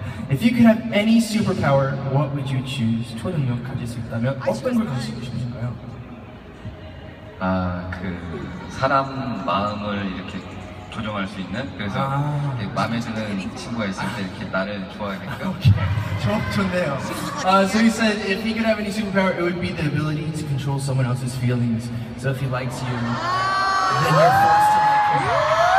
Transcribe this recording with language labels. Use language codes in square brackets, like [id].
[en] If you could have any superpower, what would you choose? [ko] 초능력 가질 수 있다면 어떤 걸 가지고 싶으신가요? 아, 그 사람 마음을 이렇게 조정할 수 있는 그래서 아, 이렇게 마음에 드는 친구가 있을 때 이렇게 나를 좋아하게끔 좋네요. [en] So he said if he could have any superpower, it would be the ability to control someone else's feelings. So if he likes you, then you're forced to like him.